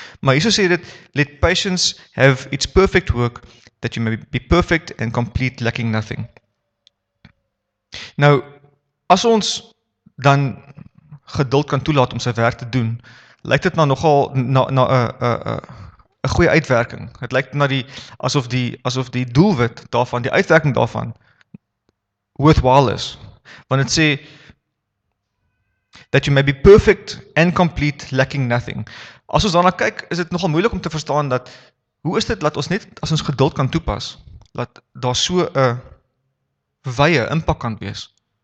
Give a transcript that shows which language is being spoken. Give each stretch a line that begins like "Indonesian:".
Afrikaans: Maar hierso sê dit,
English: let patience have its perfect work, that you may be perfect and complete, lacking nothing.
Afrikaans: Nou, as ons dan geduld kan toelaat om sy werk te doen, lyk dit nou nogal na 'n goeie uitwerking. Dit lyk na die asof die doelwit daarvan, die uitwerking daarvan worthwhile is. Want dit sê
English: that you may be perfect and complete, lacking nothing.
Afrikaans: As ons daarna kyk, is dit nogal moeilik om te verstaan dat hoe is dit dat ons net as ons geduld kan toepas, dat daar so 'n wye impak kan wees.